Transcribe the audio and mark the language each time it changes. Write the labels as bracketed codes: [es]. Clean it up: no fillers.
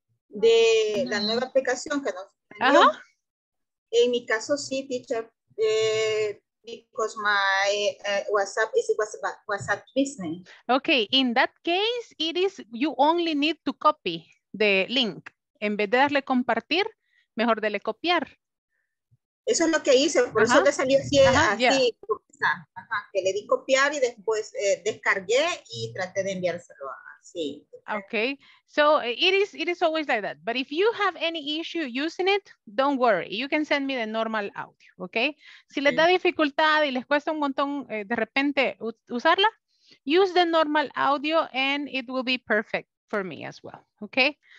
[es] De la nueva aplicación que nos salió. Uh-huh. En mi caso, sí, [en] teacher. Because my WhatsApp is WhatsApp business. Okay, in that case, it is you only need to copy the link. [es] En vez de darle compartir, mejor dele copiar. Eso es lo que hice, por uh-huh. eso te salió así, uh-huh. así yeah. uh-huh. que le di copiar y después descargué y traté de enviárselo así. [en] Okay, so it is always like that. But if you have any issue using it, don't worry. You can send me the normal audio, okay? [es] Si les da dificultad y les cuesta un montón de repente usarla, [en] use the normal audio and it will be perfect for me as well, okay?